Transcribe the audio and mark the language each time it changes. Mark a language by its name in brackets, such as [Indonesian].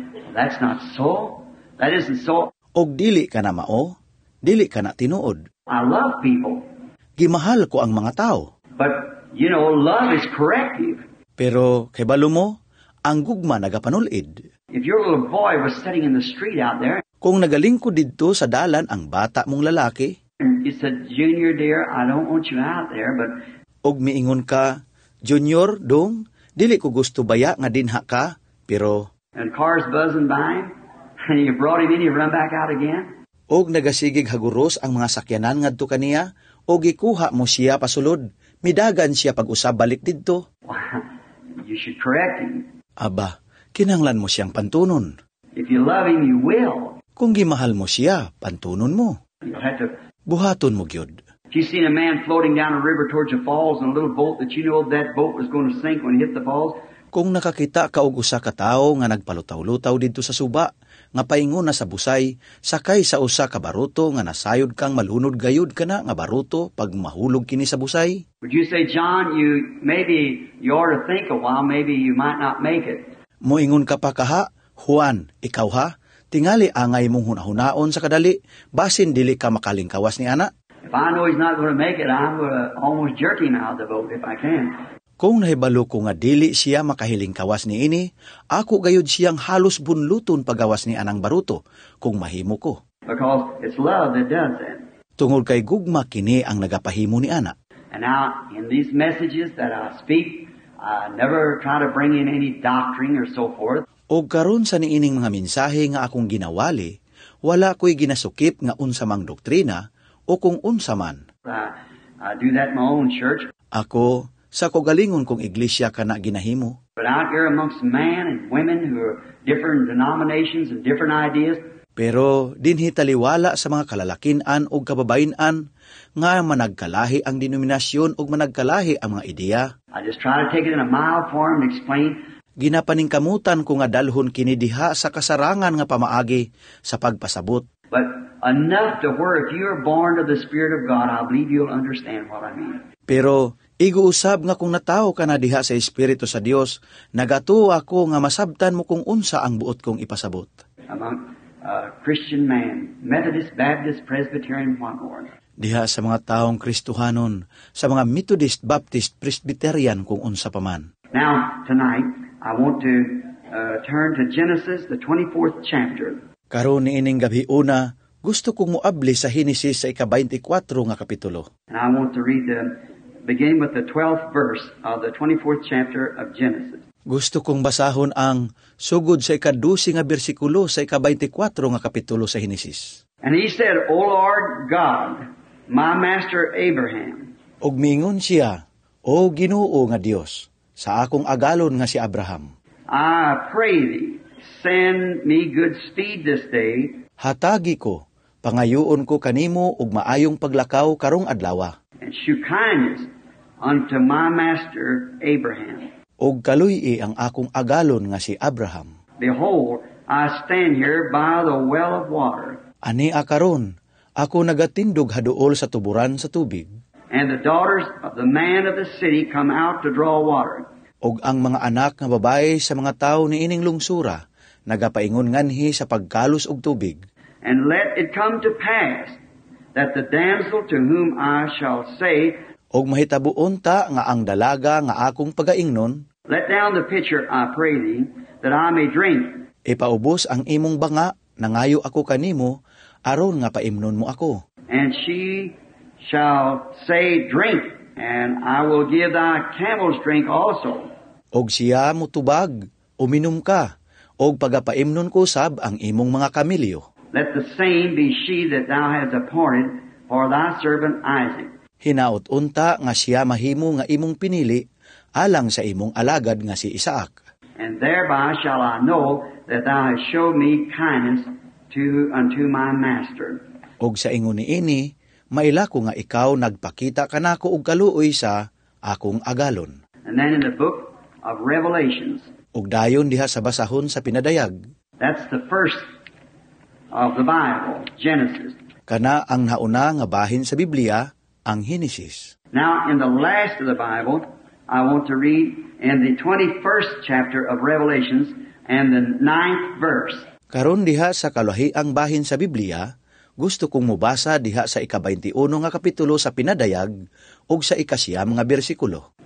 [English] That's not so. That isn't so. [Cebuano] Og dili ka na mao, dili ka na tinuod. [English] I love people. [Cebuano] Gimahal ko ang mga tao. [English] But you know, love is corrective. [Cebuano] Pero kay balo mo, ang gugma nagapanulid. [English] If your little boy was sitting in the street out there. [Cebuano] Kung nagalingkod dito sa dalan ang bata mong lalaki. [English] He said, Junior dear, I don't want you out there, but. [Cebuano] Og miingon ka, Junior, dong, dili ko gusto baya nga dinha ka, pero. [English] And cars buzzing by him, and you brought him in, you run back out again. [Cebuano] Og nagasigig haguros ang mga sakyanan ngadto kaniya, og ikuha mo siya pasulod, midagan siya pag-usab balik dito. [English] You should correct him. [Cebuano] Aba, kinanglan mo siyang pantunon. [English] If you love him, you will. [Cebuano] Kung gimahal mo siya, pantunon mo. [English] You'll have to. [Cebuano] Buhaton mo gyud. [English] If you've seen a man floating down a river towards the falls and a little boat that you know that boat was going to sink when it hit the falls. [Cebuano] Kung nakakita ka og usa ka tawo nga nagpalutaw-lutaw dito sa suba, nga paingon na sa busay, sakay sa usa ka baruto nga nasayod kang malunod gayud kana nga baruto pag mahulog kini sa busay. [English] Would you say, John, you ought to think a while, maybe you might not make it. [Cebuano] Moingon ka pa kaha, Juan, ikaw ha, tingali angay mong hunahunaon sa kadali, basin dili ka makalingkawas ni ana. [English] If I know he's not going to make it, I'm going to almost jerk him out of the boat if I can. [Cebuano] Kung nahibalo ko nga dili siya makahiling kawas ni ini, ako gayud siyang halos bunluton pagawas ni anang baruto, kung mahimo ko. [English] Because it's love that does that. [Cebuano] Tungod kay gugma kini ang nagapahimo ni ana. [English] And now, in these messages that I speak, I never try to bring in any doctrine or so forth. [Cebuano] Og karon sa niining mga mensahe nga akong ginawali, wala ko'y ginasukip nga unsamang doktrina o kung unsaman. [English] I do that in my own church. [Cebuano] Ako, sa kogalingon kong iglesia ka na ginahimo. [English] But out here amongst men and women who are different denominations and different ideas. [Cebuano] Pero dinhi taliwala sa mga kalalakinan o kababayenan nga managkalahi ang denominasyon o managkalahi ang mga ideya. [English] I just try to take it in a mild form and explain. [Cebuano] Ginapaningkamutan ko nga dalhon kini diha sa kasarangan nga pamaagi sa pagpasabot. [English] But enough to where if you are born of the Spirit of God, I believe you'll understand what I mean. [Cebuano] Pero iguusab nga kung natawo ka na diha sa Espiritu sa Dios, nagatuo ako nga masabtan mo kung unsa ang buot kong ipasabot. [English] Among Christian man, Methodist, Baptist, Presbyterian, one order. [Cebuano] Diha sa mga taong Kristuhanon, sa mga Methodist, Baptist, Presbyterian kung unsa paman. [English] Now, tonight, I want to turn to Genesis, the 24th chapter. [Cebuano] Karon ining gabi una, gusto kong muabli sa Genesis sa ika-24 nga kapitulo. [English] And I want to read the begin with the 12th verse of the 24th chapter of Genesis. [Cebuano] Gusto kong basahon ang sugod sa ika-12 nga bersikulo sa ika-24 nga kapitulo sa Genesis. [English] And he said, O Lord God, my master Abraham. [Cebuano] Ug mingon siya, O Ginoo nga Dios, sa akong agalon nga si Abraham. [English] I pray thee, send me good speed this day. [Cebuano] Hatagi ko, pangayoon ko kanimo ug maayong paglakaw karong adlawa. [English] And show kindness unto my master Abraham. [Cebuano] Ug kaluy-i ang akong agalon nga si Abraham. [English] Behold, I stand here by the well of water. [Cebuano] Ani a karon, ako nagatindog haduol sa tuburan sa tubig. [English] And the daughters of the man of the city come out to draw water. [Cebuano] Ug ang mga anak nga babaye sa mga tawo niining lungsura nagapaingon nganhi sa pagkalus og tubig. [English] And let it come to pass that the damsel to whom I shall say, [Cebuano] ug mahitabo unta nga ang dalaga nga akong pagaingnon, [English] let down the pitcher, I pray thee, that I may drink. [Cebuano] Ipaubos ang imong banga, nangayo ako kanimo aron nga paimnon mo ako. [English] And she shall say, drink, and I will give thy camels drink also. [Cebuano] Og siya mutubag, uminom ka, og pagapaimnon ko sab ang imong mga kamilyo. [English] Let the same be she that thou hast appointed for thy servant Isaac. [Cebuano] Hinaut-unta nga siya mahimo nga imong pinili, alang sa imong alagad nga si Isaac. [English] And thereby shall I know that thou hast showed me kindness unto my master. [Cebuano] Og sa inguni ini, maila ko nga ikaw nagpakita kanako og kaluoy sa akong agalon. [English] And then in the book of Revelations. [Cebuano] Og dayon diha sa basahon sa pinadayag. [English] That's the first of the Bible, Genesis. [Cebuano] Kana ang nauna nga bahin sa Biblia, ang Genesis. [English] Now in the last of the Bible, I want to read in the 21st chapter of Revelations and the 9th verse. [Cebuano] Karon diha sa kaluhi ang bahin sa Biblia, gusto kong mubasa diha sa ika-21 nga kapitulo sa pinadayag o sa ika-9 nga bersikulo.